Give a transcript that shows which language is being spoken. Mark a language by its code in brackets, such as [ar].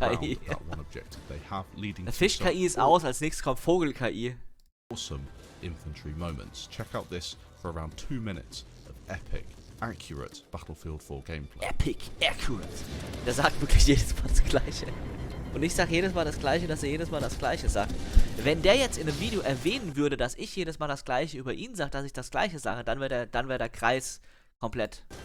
[en] Around that one objective they have, leading [de] eine Fisch-KI to ist aus, als nächstes kommt Vogel-KI. [en] Awesome infantry moments. Check out this for around 2 minutes of epic, accurate Battlefield 4 gameplay. Epic, accurate. [de] Der sagt wirklich jedes Mal das Gleiche. Und ich sag jedes Mal das Gleiche, dass er jedes Mal das Gleiche sagt. Wenn der jetzt in einem Video erwähnen würde, dass ich jedes Mal das Gleiche über ihn sage, dass ich das Gleiche sage, dann wäre der Kreis komplett.